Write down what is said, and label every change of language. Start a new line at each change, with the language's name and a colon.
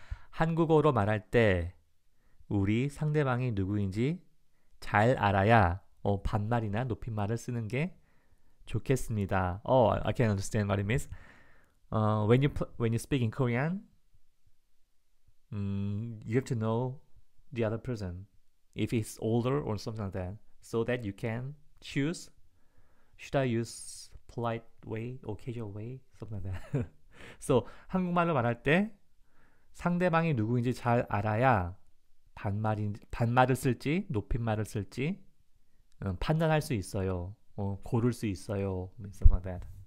Korean: 한국어로 말할 때 우리 상대방이 누구인지 잘 알아야 반말이나 높임말을 쓰는 게 좋겠습니다.
English: Oh, I can understand what it means. When you speak in Korean, you have to know the other person. If he's older or something like that, so that you can choose, should I use polite way or casual way, something like that.
Korean: So 한국말로 말할 때 상대방이 누구인지 잘 알아야 반말을 쓸지 높임말을 쓸지 판단할 수 있어요. 고를 수 있어요.
English: Something like that.